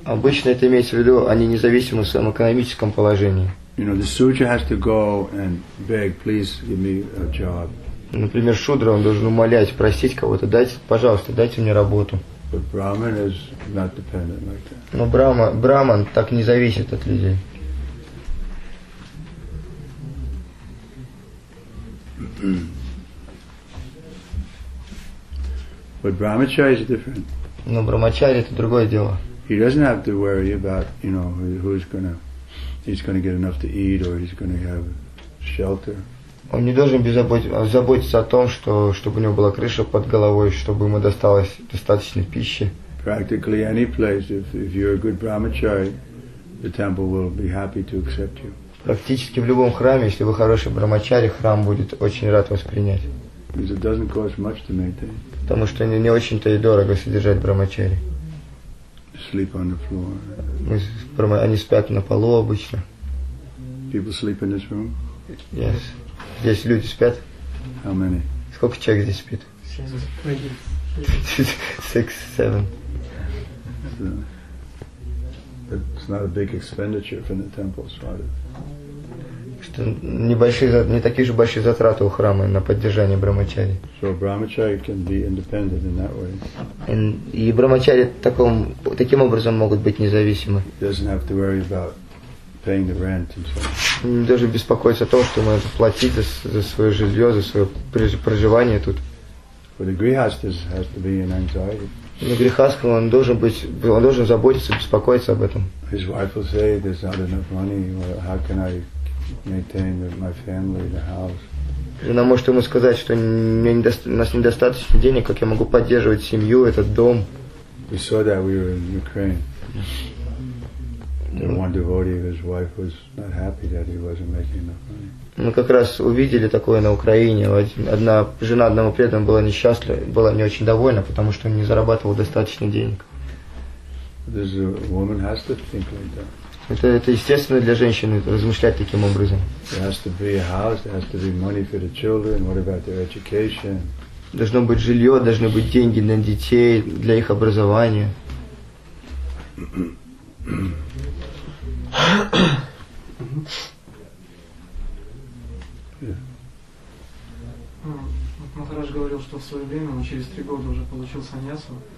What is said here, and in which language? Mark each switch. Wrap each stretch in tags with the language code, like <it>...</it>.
<ru>Обычно это имеется в виду, они независимы в своем экономическом положении.</ru> <en>You know, the sutra has to go and beg, please give me a job.</en> <ru>Например, шудра, он должен умолять, просить кого-то, дайте, пожалуйста, дайте мне работу.</ru> <en>But Brahman is not dependent like that.</en> <ru>Но Брахман так не зависит от людей.</ru> <en>But Brahmacharya is different.</en> <ru>Но Брахмачари это другое дело.</ru> <en>He doesn't have to worry about, you know, who's gonna, he's gonna get enough to eat or he's gonna have shelter.</en> <ru>Он не должен заботиться о том, чтобы у него была крыша под головой, чтобы ему досталось достаточно пищи.</ru> <en>Practically any place, if you're a good brahmachari, the temple will be happy to accept you.</en> <ru>Практически в любом храме, если вы хороший брахмачари, храм будет очень рад вас принять.</ru> <en>Because it doesn't cost much to maintain.</en> <ru>Потому что не очень-то и дорого содержать брахмачари.</ru> <en>Sleep on the floor.</en> <ru>Они спят на полу обычно.</ru> <en>People sleep in this room? Yes.</en> <ru>Здесь люди спят?</ru> <en>How many?</en> <ru>Сколько человек здесь спит?</ru> <en>6-7. It's not a big expenditure for the temple, sorry.</en> <ru>Что не такие же большие затраты у храма на поддержание брахмачари.</ru> <en>So brahmachari can be independent in that way.</en> <ru>И брахмачари таким образом могут быть независимы.</ru> <en>Doesn't have to worry about paying the rent and so on.</en> <ru>Даже беспокоиться о том, что мы платить за свое жилье, за свое проживание тут.</ru> <en>But the grihastha has to be in anxiety.</en> <ru>Но грихастха он должен заботиться, беспокоиться об этом.</ru> <en>His wife will say, there's not enough money. Well, how can I maintain my family, the house?</en> <ru>Жена может ему сказать, что у нас недостаточно денег, как я могу поддерживать семью, этот дом.</ru> <en>We saw that we were in Ukraine. The one devotee, his wife was not happy that he wasn't making enough money.</en> <ru>Мы как раз увидели такое на Украине. Одна жена одного преданного была несчастлива, была не очень довольна, потому что он не зарабатывал достаточно денег.</ru> <en>This woman has to think like that.</en> <ru>Это естественно для женщины размышлять таким образом.</ru> <en>There has to be a house, there has to be money for the children. What about their education?</en> <ru>Должно быть жилье, должны быть деньги на детей, для их образования. Махарадж говорил, что в свое время он через 3 года уже получил саньясу.</ru>